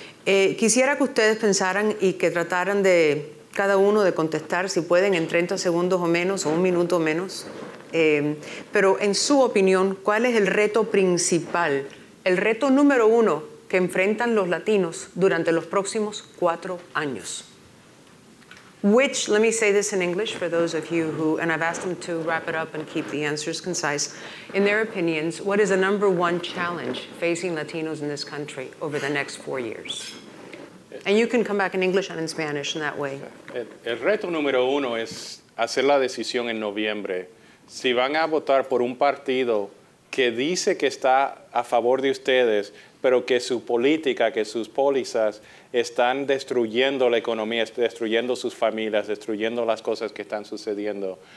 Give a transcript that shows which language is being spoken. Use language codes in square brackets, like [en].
[es] Quisiera que ustedes pensaran y que trataran de cada uno de contestar, si pueden, en 30 segundos o menos, o un minuto o menos. Pero en su opinión, ¿cuál es el reto principal, el reto número uno que enfrentan los latinos durante los próximos 4 años? [en] Which, let me say this in English for those of you who, and I've asked them to wrap it up and keep the answers concise. In their opinions, what is the number one challenge facing Latinos in this country over the next 4 years? And you can come back in English and in Spanish in that way. [es] El reto número uno es hacer la decisión en noviembre. Si van a votar por un partido que dice que está a favor de ustedes, pero que su política, que sus pólizas están destruyendo la economía, destruyendo sus familias, destruyendo las cosas que están sucediendo.